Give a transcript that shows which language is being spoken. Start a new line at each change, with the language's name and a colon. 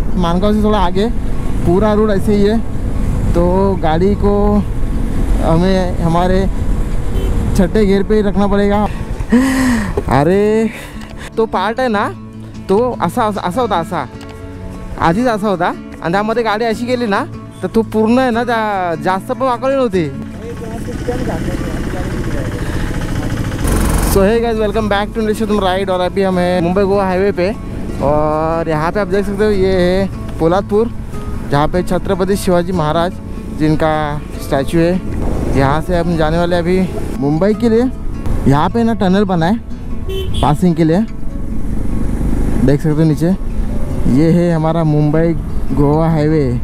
Hindi: मानगांव से थोड़ा आगे पूरा रोड ऐसे ही है, तो गाड़ी को हमें हमारे छठे गियर पे ही रखना पड़ेगा। अरे तो पार्ट है ना,
Marathi: तो असा असा होता, असा आधीच असा होता, आणि त्यामध्ये गाडी अशी गेली ना, तर तो पूर्ण आहे ना, त्या जास्त पण वाकवली नव्हती।
English: So hey guys, welcome back to nation ride.
Hindi: और अभी हम है मुंबई गोवा हाईवे पे, और यहाँ पे आप देख सकते हो ये है पोलादपुर, जहाँ पे छत्रपति शिवाजी महाराज जिनका स्टैचू है। यहाँ से हम जाने वाले अभी मुंबई के लिए। यहाँ पे ना टनल बना है पासिंग के लिए, देख सकते हो नीचे, ये है हमारा मुंबई गोवा हाईवे।